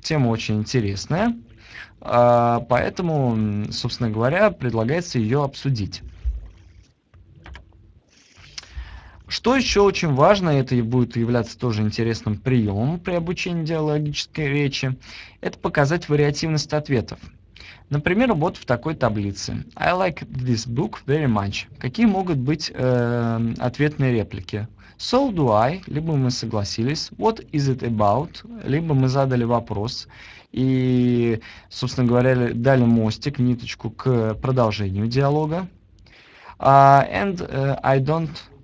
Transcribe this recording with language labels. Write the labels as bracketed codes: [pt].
[ru] Тема очень интересная. Поэтому, собственно говоря, предлагается ее обсудить. Что еще очень важно, это и будет являться тоже интересным приемом при обучении диалогической речи, это показать вариативность ответов. Например, вот в такой таблице. [en] I like this book very much. [ru] Какие могут быть ответные реплики? [en] So do I, [ru] либо мы согласились. [en] What is it about? [ru] Либо мы задали вопрос и, собственно говоря, дали мостик, ниточку к продолжению диалога. [en] And I don't.